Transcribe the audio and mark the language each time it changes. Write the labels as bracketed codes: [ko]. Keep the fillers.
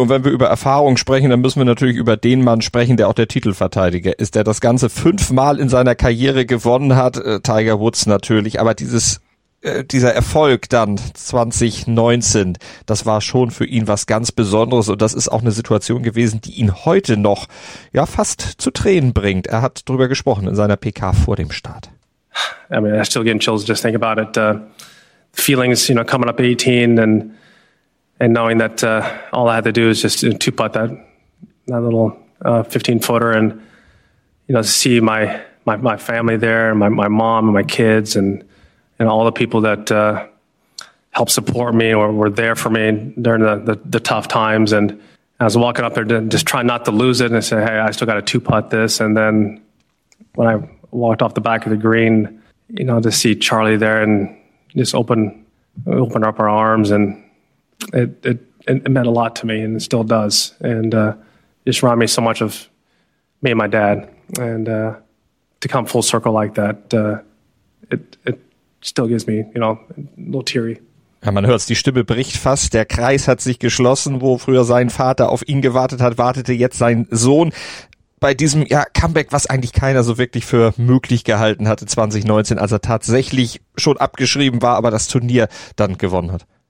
[de] und wenn wir über Erfahrung sprechen, dann müssen wir natürlich über den Mann sprechen, der auch der Titelverteidiger ist, der das Ganze fünfmal in seiner Karriere gewonnen hat, Tiger Woods natürlich, aber dieses äh, dieser Erfolg dann 2019, das war schon für ihn was ganz Besonderes und das ist auch eine Situation gewesen, die ihn heute noch ja fast zu Tränen bringt. Er hat darüber gesprochen in seiner PK vor dem Start. [en] I mean, I still getting chills just think about it. Uh, feelings, you know, coming up 18 and, and knowing that uh, all I had to do is just you two putt that, that little uh, 15 footer and, you know, see my, my, my family there my, my mom and my kids and, and all the people that uh, helped support me or were there for me during the, the, the tough times. And I was walking up there just trying not to lose it and say, hey, I still got a two putt this. And then when I walked off the back of the green, you know, to see Charlie there and just open open up our arms and it, it it meant a lot to me and it still does and uh it me so much of me and my dad and uh to come full circle like that uh it it still gives me, you know, a little teary. [de] Ja, man hört es, die Stimme bricht fast, der Kreis hat sich geschlossen, wo früher sein Vater auf ihn gewartet hat, wartete jetzt sein Sohn bei diesem ja, Comeback, was eigentlich keiner so wirklich für möglich gehalten hatte 2019, als er tatsächlich schon abgeschrieben war, aber das Turnier dann gewonnen hat.